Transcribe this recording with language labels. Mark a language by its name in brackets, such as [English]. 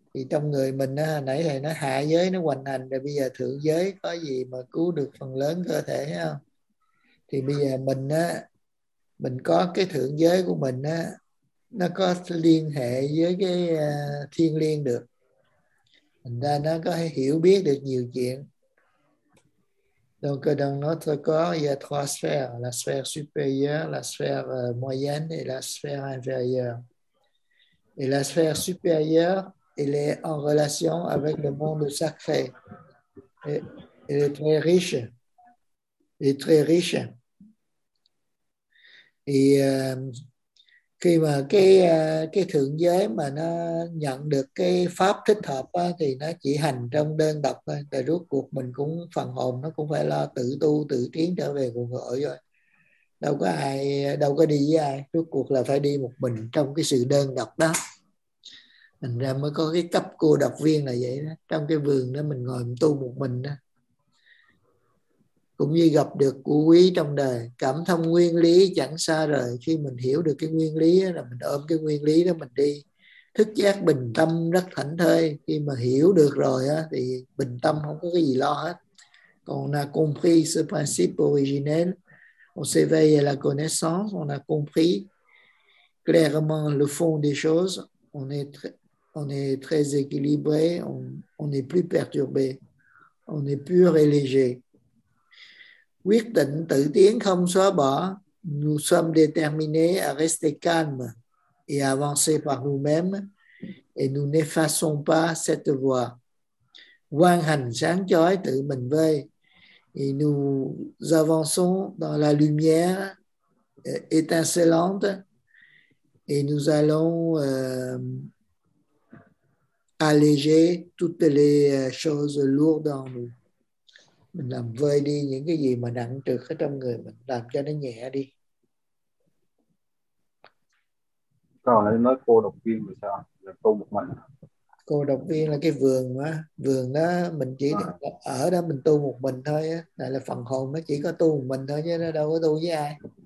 [Vietnamese] Thì trong người mình đó, nãy thì nó hạ giới nó hoành hành, rồi bây giờ thượng giới có gì mà cứu được phần lớn cơ thể không? Thì bây giờ mình á, mình có cái thượng giới của mình á, nó có liên hệ với cái thiên liên được, thành ra nó có hiểu biết được nhiều chuyện. [French] Donc dans notre corps, il y a trois sphères, la sphère supérieure, la sphère moyenne et la sphère inférieure. Et la sphère supérieure, elle est en relation avec le monde sacré. Elle est très riche. [Vietnamese] Thì khi mà cái thượng giới mà nó nhận được cái pháp thích hợp á, thì nó chỉ hành trong đơn độc thôi, tại rốt cuộc mình cũng phần hồn nó cũng phải lo tự tu tự tiến trở về nguồn cội rồi, đâu có ai, đâu có đi với ai, rốt cuộc là phải đi một mình trong cái sự đơn độc đó, thành ra mới có cái cấp cô độc viên là vậy đó. Trong cái vườn đó mình ngồi mình tu một mình đó, cũng như gặp được của quý trong đời, cảm thông nguyên lý chẳng xa rời. Khi mình hiểu được cái nguyên lý đó, là mình ôm cái nguyên lý đó mình đi, thức giác bình tâm rất thảnh thơi. Khi mà hiểu được rồi đó, thì bình tâm không có cái gì lo hết. Còn là [French] compris ce principe originel, on s'éveille à la connaissance, on a compris clairement le fond des choses, on est très équilibré, on est plus perturbé, on est pur et léger. [Vietnamese] Quyết định tự tiến không xóa bỏ. [French] Nous sommes déterminés à rester calmes et avancer par nous-mêmes et nous n'effaçons pas cette voie. [Vietnamese] Quang hành sáng chói tự mình vơi. [French] Et nous avançons dans la lumière étincelante et nous allons alléger toutes les choses lourdes en nous. [Vietnamese] Mình làm vơi đi những cái gì mà nặng trược ở trong người mình, làm cho nó nhẹ đi. Sao lại nói cô độc viên thì sao? Là cô một mình Cô độc viên là cái vườn á, vườn đó mình chỉ à? ở đó mình tu một mình thôi á, là phần hồn nó chỉ có tu một mình thôi chứ nó đâu có tu với ai.